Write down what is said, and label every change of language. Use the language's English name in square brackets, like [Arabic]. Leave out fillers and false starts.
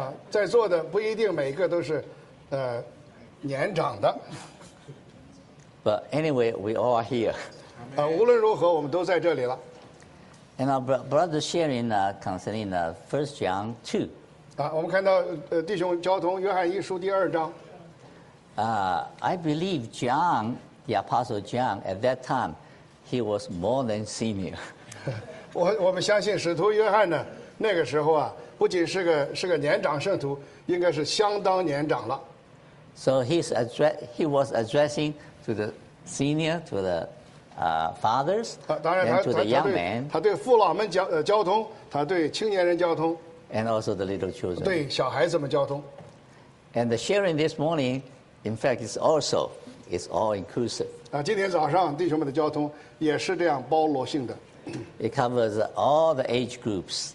[Chinese] 在座的不一定每个都是年长的。 [English] But anyway, we all are here. [Chinese] 无论如何我们都在这里了。 [English] And our brother sharing concerning First John 2. [Chinese] 我们看到弟兄交通约翰一书第二章。 [English] I believe John, the Apostle John, at that time, he was more than senior. [Chinese] 我们相信使徒约翰呢，那个时候啊，不仅是个年长圣徒，应该是相当年长了。 [English] So he was addressing to the senior, to the fathers, and to the young man. [Chinese] 他对父老们交通，他对青年人交通。 [English] And also the little children. [Chinese] 对小孩子们交通。 [English] And the sharing this morning. In fact, it's all inclusive. [Chinese] 今天早上弟兄们的交通也是这样包罗性的。 [English] It covers all the age groups.